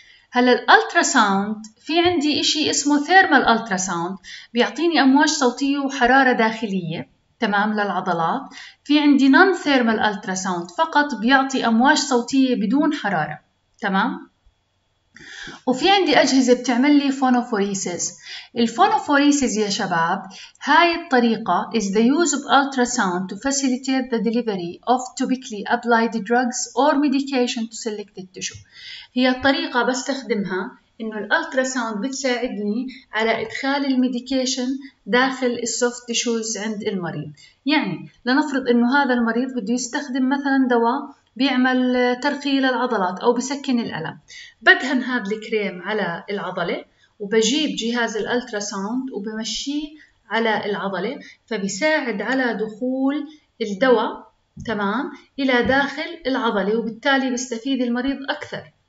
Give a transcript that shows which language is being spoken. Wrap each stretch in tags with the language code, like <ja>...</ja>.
<ar>هلا الالترا ساوند، في عندي إشي اسمه ثيرمال الالترا ساوند، بيعطيني امواج صوتيه وحراره داخليه، تمام، للعضلات. في عندي نون ثيرمال الالترا ساوند، فقط بيعطي امواج صوتيه بدون حراره، تمام. وفي عندي اجهزه بتعمل لي فونوفوريسيس. الفونوفوريسيس يا شباب، هاي الطريقه</ar> <en>is the use of ultrasound to facilitate the delivery of topically applied drugs or medication to selected tissue.</en> <ar>هي الطريقه بستخدمها انه الالترا ساوند بتساعدني على ادخال الميديكيشن داخل السوفت تيشوز عند المريض. يعني لنفرض انه هذا المريض بده يستخدم مثلا دواء بيعمل ترخي للعضلات او بسكن الالم، بدهن هذا الكريم على العضله وبجيب جهاز الالترا ساوند وبمشيه على العضله، فبيساعد على دخول الدواء، تمام، الى داخل العضله، وبالتالي بيستفيد المريض اكثر.</ar>